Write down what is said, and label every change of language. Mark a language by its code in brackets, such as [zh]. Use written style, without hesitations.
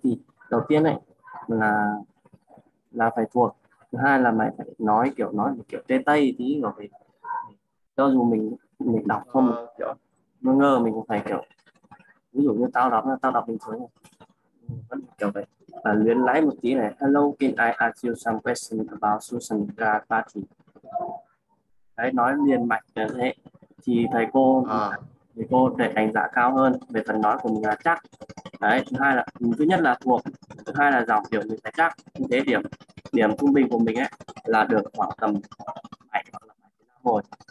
[vi] Thì đầu tiên này là phải thuộc, thứ hai là mày phải nói kiểu tê tây tí, rồi phải cho dù mình đọc không kiểu ngơ ngơ, mình cũng phải kiểu ví dụ như tao đọc bình thường vẫn kiểu vậy. À, luyến lái một tí này. [en] Hello, can I ask you some question about Susan Grafati? [vi] Đấy, nói liền mạch như thế. Thì thầy cô để đánh giá cao hơn về phần nói của mình là chắc. Đấy, thứ hai là, thứ nhất là thuộc, thứ hai là giọng điệu mình phải chắc. Như thế điểm điểm trung bình của mình ấy là được khoảng tầm 7 hoặc là 7,5 rồi.